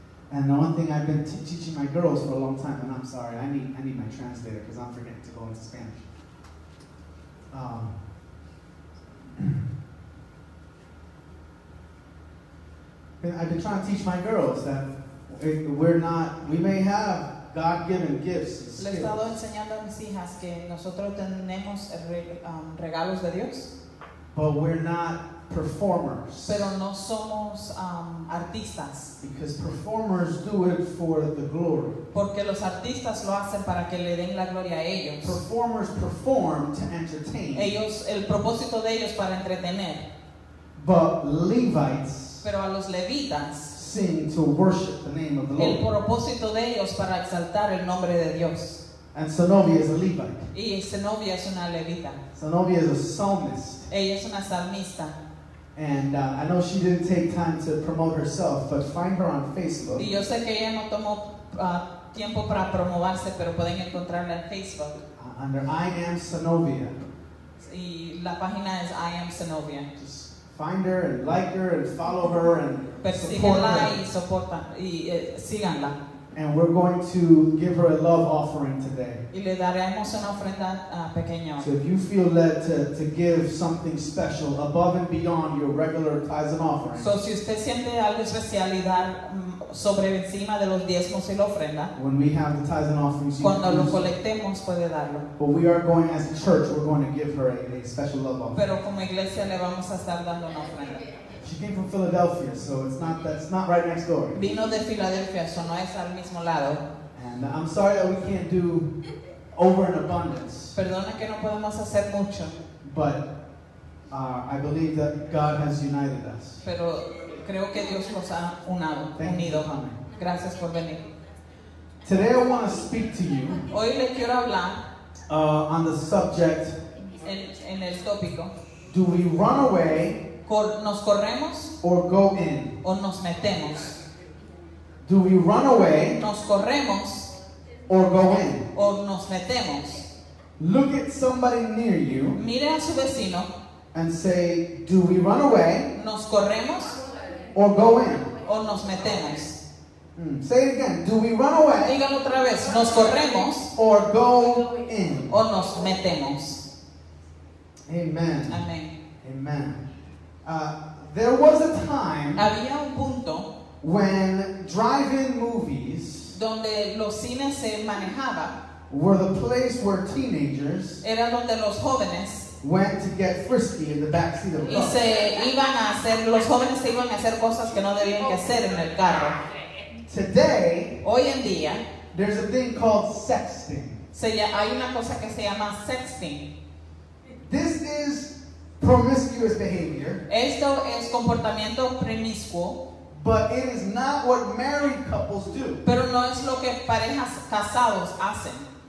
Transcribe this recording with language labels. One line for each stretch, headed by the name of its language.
English: And the one thing I've been teaching my girls for a long time, and I'm sorry, I need my translator because I'm forgetting to go into Spanish. I've been trying to teach my girls that we may have God-given gifts.
Spanish: Le he estado enseñando a mis hijas que nosotros tenemos regalos de Dios.
English: But we're not performers.
Spanish: Pero no somos artistas.
English: Because performers do it for the glory.
Spanish: Porque los artistas lo hacen para que le den la gloria a ellos.
English: Performers perform to entertain.
Spanish: Ellos, el propósito de ellos para entretener.
English: But Levites.
Spanish: Pero a los levitas.
English: Sing to worship the name of the Lord.
Spanish: El propósito de ellos para exaltar el nombre de Dios.
English: And Zenobia is a Levite.
Spanish: Y Zenobia es una levita.
English: Zenobia is a psalmist.
Spanish: Ella es una salmista.
English: And I know she didn't take time to promote herself, but find her on Facebook.
Spanish: Y yo sé que ella no tomó tiempo para promoverse, pero pueden encontrarla en Facebook.
English: Under I am Zenobia.
Spanish: Y la página es I am Zenobia.
English: Just find her and like her and follow her and support her. And we're going to give her a love offering today. So if you feel led to give something special above and beyond your regular tithes and offerings.
Spanish: So si usted siente algo especial y dar sobre encima de los diezmos y la ofrenda.
English: When we have the tithes and offerings,
Spanish: cuando lo colectemos, puede darlo.
English: But we are going as a church, we're going to give her a special love offering.
Spanish: Pero como iglesia le vamos a estar dando una ofrenda.
English: She came from Philadelphia, so it's not right next door.
Spanish: Vino de Filadelfia, so no es al mismo lado.
English: And I'm sorry that we can't do over an abundance.
Spanish: Perdona que no podemos hacer mucho.
English: But I believe that God has united us.
Spanish: Pero creo que Dios nos ha unado, unido. Gracias por venir.
English: Today I want to speak to you.
Spanish: Hoy le quiero hablar.
English: On the subject.
Spanish: En el tópico.
English: Do we run away?
Spanish: Nos corremos,
English: or go in.
Spanish: O nos metemos.
English: Do we run away?
Spanish: Nos corremos,
English: or go in.
Spanish: O nos metemos.
English: Look at somebody near you.
Spanish: Mire a su vecino.
English: And say, do we run away?
Spanish: Nos corremos,
English: or go in.
Spanish: O nos metemos.
English: Say it again. Do we run away?
Spanish: Dígalo otra vez. Nos corremos,
English: or go in.
Spanish: O nos metemos. Amen. Amen.
English: Amen. There was a time
Spanish: había un punto
English: when drive-in movies
Spanish: donde los cines se manejaba
English: were the place where teenagers
Spanish: era donde los jóvenes
English: went to get frisky in the back seat of the car.
Spanish: Y se iban a hacer, los jóvenes se iban a hacer cosas que no debían que hacer en el carro.
English: Today,
Spanish: hoy en día,
English: there's a thing called sexting.
Spanish: Hay una cosa que se llama sexting.
English: This is promiscuous behavior.
Spanish: Esto es comportamiento promiscuo.
English: But it is not what married couples do.
Spanish: Pero no es lo que parejas casados hacen.